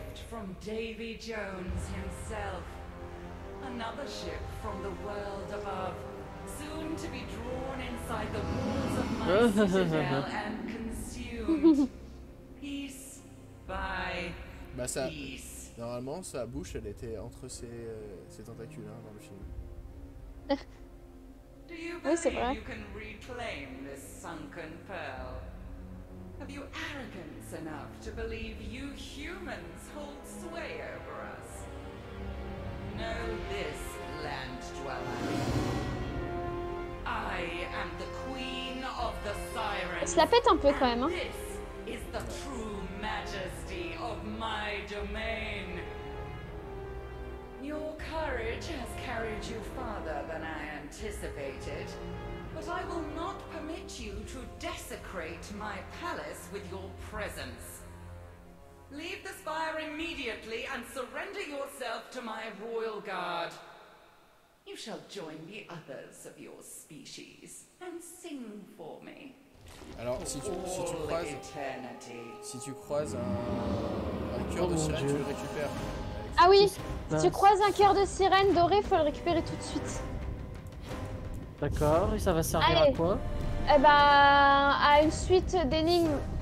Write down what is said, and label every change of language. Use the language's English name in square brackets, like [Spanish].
[English] From Davy Jones himself, another ship from the world above, soon to be drawn inside the walls of my citadel and consumed. Peace, bye. [French] Bah ça, peace. Normalement sa bouche elle était entre ses ses tentacules hein, dans le film. [English] Do you believe oui, you can reclaim this sunken pearl? Have you arrogance enough to believe you humans hold sway over us? Know this, land dweller. I am the queen of the sirens. [French] Ça pète un peu quand même, hein. [English] This is the true majesty of my domain. Your courage has carried you farther than I anticipated. But I will not permit you to desecrate my palace with your presence. Leave the spire immediately and surrender yourself to my royal guard. You shall join the others of your species and sing for me. [French] Alors, si tu croises eternity. Si tu croises un cœur de sirène, tu le récupères. Ah oui, si tu croises un cœur de sirène doré, faut le récupérer tout de suite. D'accord, et ça va servir allez. À quoi? Eh ben, à une suite d'énigmes.